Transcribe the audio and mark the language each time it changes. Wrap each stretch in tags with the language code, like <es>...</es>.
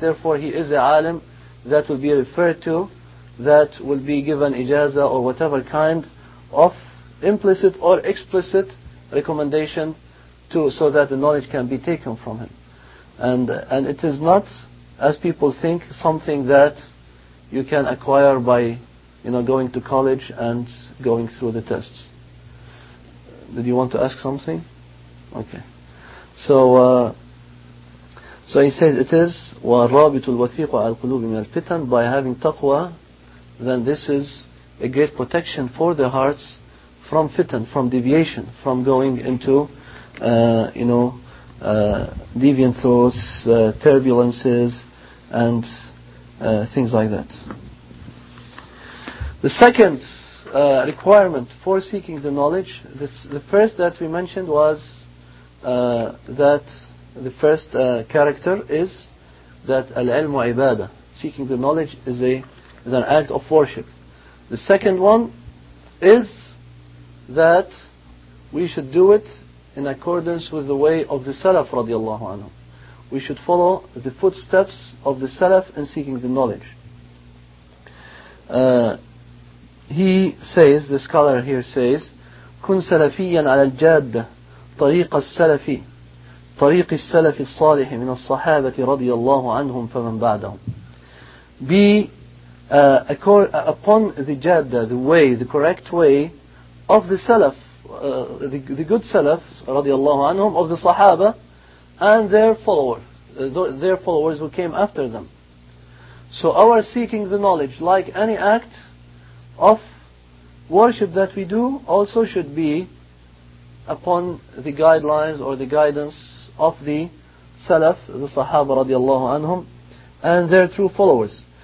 <en>Therefore, he is a alim that will be referred to, that will be given ijazah or whatever kind of implicit or explicit recommendation, so that the knowledge can be taken from him. And it is not, as people think, something that you can acquire by going to college and going through the tests. Did you want to ask something? Okay. So he says it is</en> <ar>وَالرَّابِطُ الْوَثِيقُ عَلَى الْقُلُوبِ مِنَ الْفِتَنِ.</ar> <en>By having taqwa, then this is a great protection for the hearts from fitan, from deviation, from going into deviant thoughts, turbulences, and things like that. The second requirement for seeking the knowledge, the first that we mentioned was that the first character is that al-ilmu ibadah, seeking the knowledge is an act of worship. The second one is that we should do it in accordance with the way of the Salaf radiallahu anhu. We should follow the footsteps of the Salaf in seeking the knowledge. He says, the scholar here says,</en> <ar>كن سلفيا على الجادة طريق السلفي طريق السلف الصالح من الصحابة رضي الله عنهم فمن بعدهم.</ar> <en>Be upon the jadda, the way, the correct way of the Salaf, the good Salaf radiallahu anhum, of the Sahaba and their followers who came after them. So our seeking the knowledge, like any act of worship that we do, also should be upon the guidelines or the guidance of the Salaf, the Sahaba radiallahu anhum, and their true followers.</en>